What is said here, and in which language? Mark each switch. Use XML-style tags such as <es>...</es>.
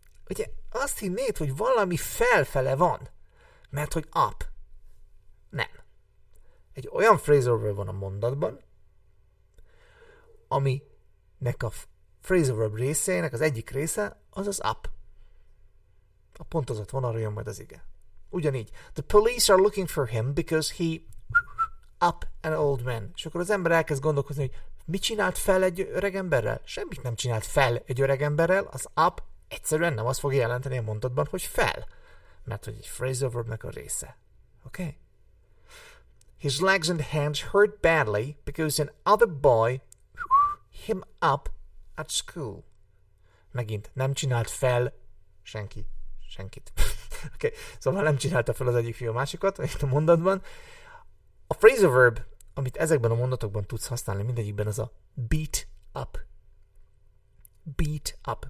<hu>Ugye azt hinnéd, hogy valami felfele van, mert hogy up. Nem. Egy olyan phrasal verb van a mondatban, aminek a phrasal verb részének az egyik része az az up. A pontozott vonalra jön majd az ige. Ugyanígy.</hu> <en>The police are looking for him because he up an old man.</en> <hu>És akkor az ember elkezd gondolkozni, hogy mit csinált fel egy öreg emberrel? Semmit nem csinált fel egy öreg emberrel. Az up egyszerűen nem azt fogja jelenteni a mondatban, hogy fel. Mert hogy egy phrasal verbnek a része. Oké? Okay.</hu> <en>His legs and hands hurt badly because an other boy him up at school.</en> <hu>Megint nem csinált fel senki. Senkit. Okay. Szóval nem csinálta fel az egyik fiú másikat, itt a mondatban. A phrasal verb, amit ezekben a mondatokban tudsz használni, mindegyikben az a beat up. Beat up.</hu>